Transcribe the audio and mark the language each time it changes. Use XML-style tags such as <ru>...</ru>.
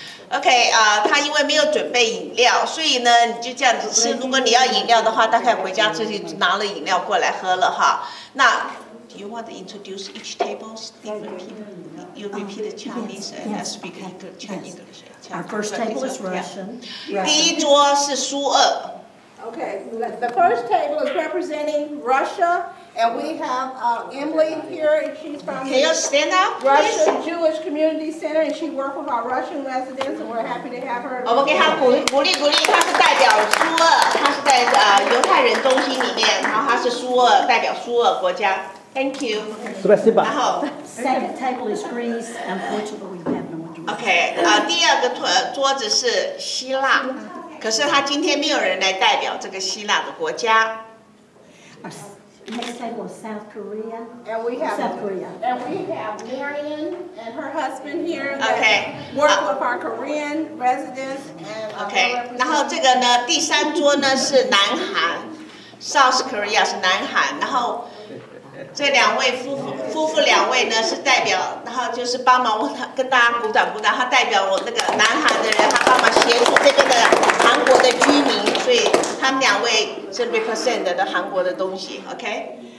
<zh>Okay, 他因为没有准备饮料，所以呢，你就这样子吃。如果你要饮料的话，大概回家自己拿了饮料过来喝了哈。</zh> <en>那 ，Do you want to introduce each table's different people? You repeat the Chinese and I speak Chinese. Yes. Our first table is Russian.</en> <zh>第一桌是苏俄。</zh> <en>Okay, the first table is representing Russia, and we have Emily here, and she's from Can you stand up, Russian please? Jewish Community Center, and she works with our Russian residents, and we're happy to have her.</en> <zh>我们给她鼓励，她是代表苏俄，她是在犹太人中心里面，然后她是苏俄，代表苏俄国家。</zh> <en>Thank you.</en> <ru>Спасибо.</ru> <en>The second table is Greece, and Portugal, we have no one.</en> <zh>Okay, 第二个桌子是希腊。可是他今天没有人来代表这个希腊的国家。</zh> <en>Next table is South Korea. And we have South Korea. And we have Marion and her husband here. Okay. Work with our Korean residents. Okay.</en> <zh>然后这个呢，第三桌呢是南韩 ，South Korea 是南韩。然后这两位夫妇两位呢是代表，然后就是帮忙跟大家鼓掌，他代表我那个南韩的人，他帮忙协助这边的韩国的居民，所以他们两位是 represent 的韩国的东西 ，OK？</zh>